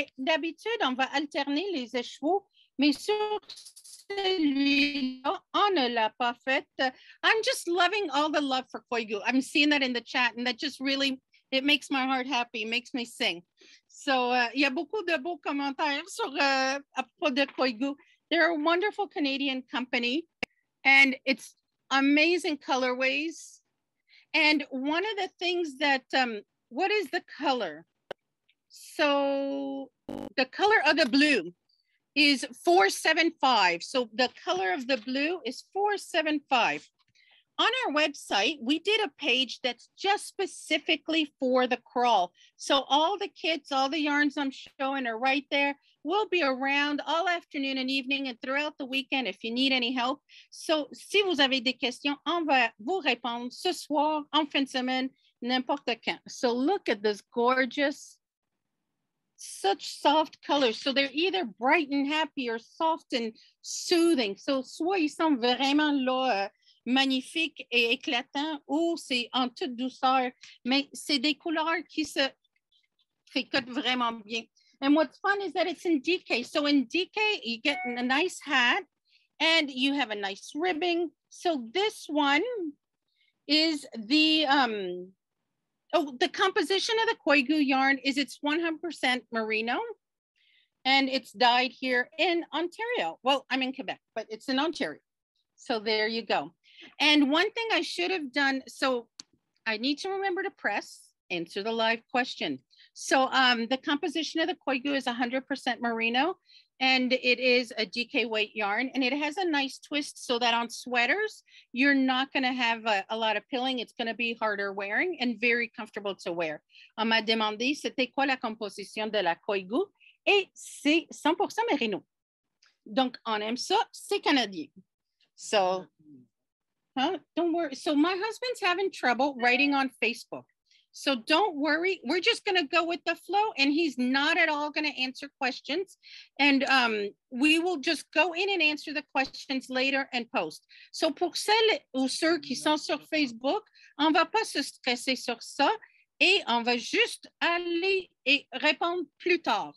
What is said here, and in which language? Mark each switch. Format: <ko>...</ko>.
<fr>D'habitude, on va alterner les échevaux, mais sur celui-là, on ne l'a pas fait.</fr> <en>I'm just loving all the love for Koigu. I'm seeing that in the chat, and that just really, it makes my heart happy. It makes me sing.</en> <fr>So il y a beaucoup de beaux commentaires sur à propos de Koigu.</fr> <en>They're a wonderful Canadian company, and it's amazing colorways. And one of the things that, what is the color? So the color of the blue is 475. So the color of the blue is 475. On our website, we did a page that's just specifically for the crawl. So all the kits, all the yarns I'm showing are right there. We'll be around all afternoon and evening and throughout the weekend if you need any help.</en> <fr>So si vous avez des questions, on va vous répondre ce soir, en fin de semaine, n'importe quand.</fr> <en>So look at this gorgeous, such soft colors. So they're either bright and happy or soft and soothing.</en> <fr>So soit ils sont vraiment là, magnifiques et éclatants, ou c'est en toute douceur, mais c'est des couleurs qui se tricotent vraiment bien.</fr> <en>And what's fun is that it's in DK. So in DK, you get a nice hat and you have a nice ribbing. So this one is the composition of the Koigu yarn is it's 100% merino, and it's dyed here in Ontario. Well, I'm in Quebec, but it's in Ontario. So there you go. And one thing I should have done, so I need to remember to press answer the live question. So the composition of the Koigu is 100% merino, and it is a DK weight yarn, and it has a nice twist so that on sweaters, you're not gonna have a lot of pilling. It's gonna be harder wearing and very comfortable to wear.</en> <fr>On m'a demandé, c'était quoi la composition de la Koigu? Et c'est 100% merino. Donc on aime ça, c'est Canadien.</fr> <en>So, huh? Don't worry. So my husband's having trouble writing on Facebook. So don't worry. We're just going to go with the flow, and he's not at all going to answer questions. And we will just go in and answer the questions later and post.</en> <fr>So pour celles ou ceux qui sont sur Facebook, on va pas se stresser sur ça. Et on va juste aller et répondre plus tard.</fr>